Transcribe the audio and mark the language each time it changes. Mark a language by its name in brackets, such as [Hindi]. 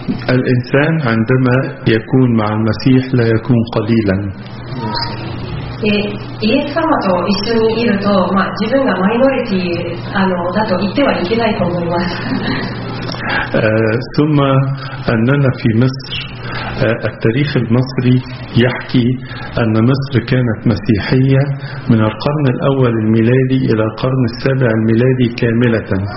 [Arabic] الإنسان عندما يكون مع المسيح لا يكون قليلا. [Japanese] イエス様と一緒にいると、まあ、自分がマイノリティあのだと言ってはいけないと思います。 [Arabic] ثم أننا في مصر التاريخ المصري يحكي أن مصر كانت مسيحية من القرن الأول الميلادي إلى القرن السابع الميلادي كاملة.